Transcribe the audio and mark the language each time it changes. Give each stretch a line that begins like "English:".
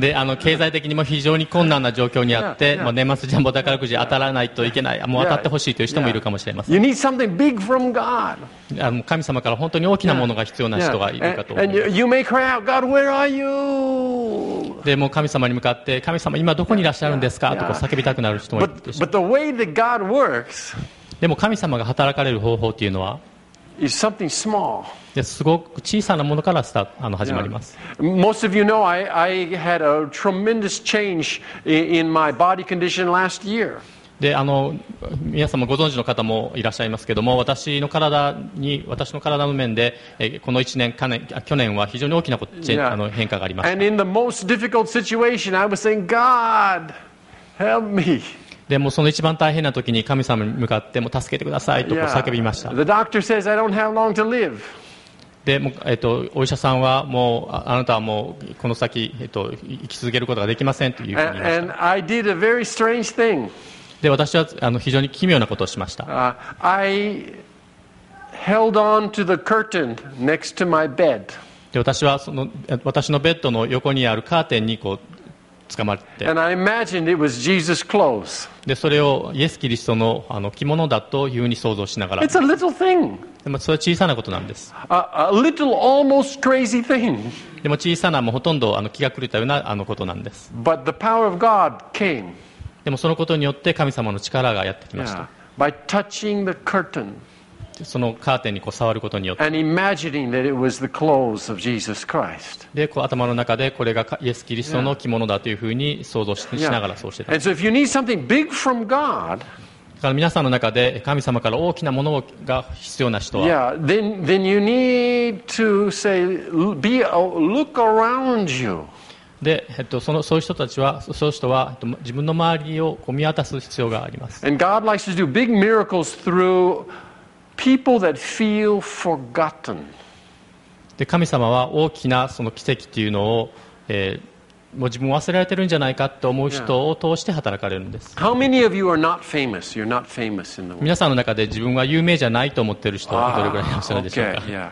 Japanese: で、経済的にも非常に困難な状況にあって、yeah, yeah. もう年末ジャンボ宝くじ当たらないといけない、もう当たってほしいという人もいるかもしれません。
English: You need something big from God.
Japanese: 神様から本当に大きなものが必要な人がいるかと思います。
English: yeah, yeah. And you may cry out, God, where are you?
Japanese: でもう神様に向かって、神様今どこにいらっしゃるんですか、yeah, yeah. とこう叫びたくなる人もいるでしょう。
English: But the way that God works,
Japanese: でも神様が働かれる方法というのは、
English: is something small.
Japanese: すごく小さなものから始まります。
English: Yeah. Most of you know I had a tremendous change in my body condition last year.
Japanese: で、皆様ご存知の方もいらっしゃいますけども、私の体の面でこの1年、去年は非常に大きな変化がありました。
English: And in the most difficult situation, I was saying, God, help me.
Japanese: でもその一番大変な時に神様に向かって、も助けてくださいと叫びました。
English: Yeah. The doctor says I don't have long to live.
Japanese: でもお医者さんはもうあなたはもうこの先、生き続けることができませんというふうに言いました。
English: And I did a very strange thing.
Japanese: で私は非常に奇妙なことをしました。
English: I held on to the curtain next to my bed.
Japanese: で私はその私のベッドの横にあるカーテンにこう捕まって、
English: And I imagined it was Jesus clothes.
Japanese: でそれをイエス・キリストの着物だというふうに想像しながら、
English: It's a little thing.
Japanese: でもそれは小さなことなんです。
English: A little, almost crazy thing.
Japanese: でも小さな、もうほとんど気が狂ったようなことなんです。
English: But the power of God came.
Japanese: でもそのことによって神様の力がやってきました。
English: Yeah. By touching the curtain.
Japanese: そのカーテンにこう触ることによって。
English: And imagining that it was the clothes of Jesus Christ.
Japanese: で、こう頭の中でこれがイエス・キリストの着物だというふうに想像しながらそうしてたんです。
English: And so if you need something big from God,
Japanese: 皆さんの中で神様から大きなものが必要な人は、
English: yeah, then you need to say, be a look around you.
Japanese: で、そういう人たちは、そういう人は自分の周りをこう見渡す必要があります。
English: And God likes to do big miracles through people that feel forgotten.
Japanese: で、神様は大きなその奇跡というのを、もう自分忘れられてるんじゃないかと思う人を通して働かれるんです。皆さんの中で自分は有名じゃないと思ってる人はどれくらいいらっしゃるでしょうか。